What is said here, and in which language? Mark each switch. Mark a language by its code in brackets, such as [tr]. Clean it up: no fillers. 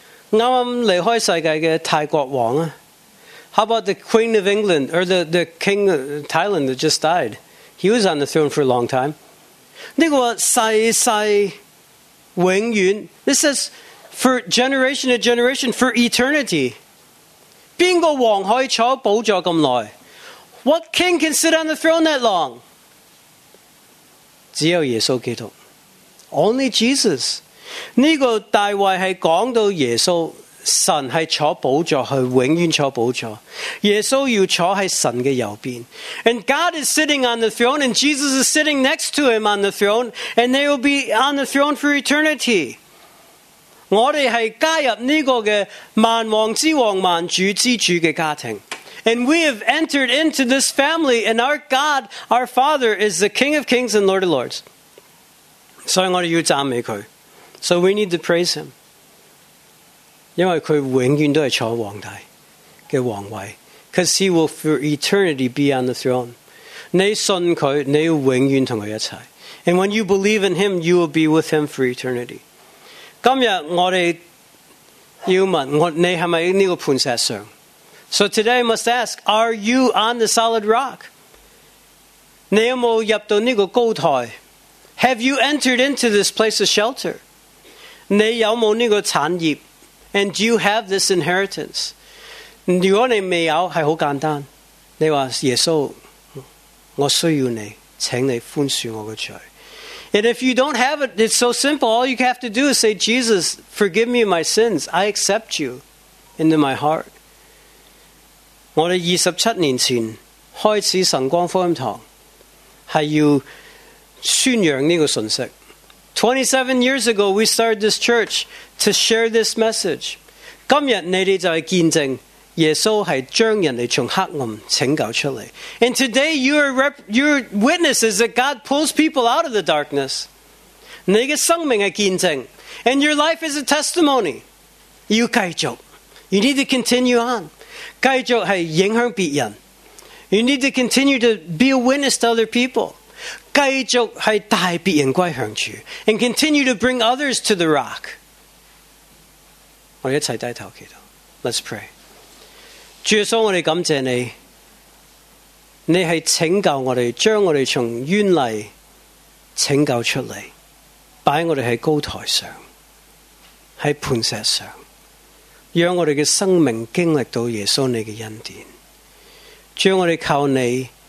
[zh] 刚刚离开世界的泰国王? [en] How about the Queen of England, or the King of Thailand that just died? He was on the throne for a long time. [zh] 这个世世 永远, [en] this says for generation to generation, for eternity. [zh] 哪个王可以坐宝座这么久? [en] What king can sit on the throne that long? [zh] 只有耶稣基督. [en] Only Jesus. [zh] 这个大卫是讲到耶稣, 神是坐宝座，是永远坐宝座。耶稣要坐在神的右边。 [en] And God is sitting on the throne, and Jesus is sitting next to him on the throne, and they will be on the throne for eternity. [zh] 我们是加入这个万王之王、万主之主的家庭。 [en] And we have entered into this family, and our God, our Father, is the King of Kings and Lord of Lords. [zh] 所以我们要赞美他。 [en] So we need to praise him. [zh] 因为他永远都是坐皇帝的皇位 [en] because he will for eternity be on the throne. [zh] 你信他，你要永远同他一起。 [en] And when you believe in him, you will be with him for eternity. [zh] 今天我们要问你是不是在这个磐石上。 [en] So today I must ask, are you on the solid rock? [zh] 你有没有入到这个高台？ [en] Have you entered into this place of shelter? [zh] 你有没有这个产业？ [en] And do you have this inheritance? [zh] 如果你没有，是很简单。你说，耶稣，我需要你，请你宽恕我的罪。 [en] And if you don't have it, it's so simple. All you have to do is say, Jesus, forgive me my sins. I accept you into my heart. [zh] 我们27年前开始神光福音堂，是要宣扬这个信息。 [en] 27 years ago, we started this church to share this message. [zh] 今天你们就是见证耶稣是将人们从黑暗拯救出来。 [en] And today, you're witnesses that God pulls people out of the darkness. [zh] 你的生命是见证。 [en] And your life is a testimony. [zh] 要继续。 [en] You need to continue on. [zh] 继续是影响别人。 [en] You need to continue to be a witness to other people. [zh] 继续是带别人归向主 [en] and continue to bring others to the rock. [zh] 我们一起低头祈祷 [en] Let's pray. [zh] 主耶稣，我们感谢你，你是拯救我们，将我们从冤例拯救出来，放我们在高台上，在磐石上，让我们的生命经历到耶稣你的恩典，将我们靠你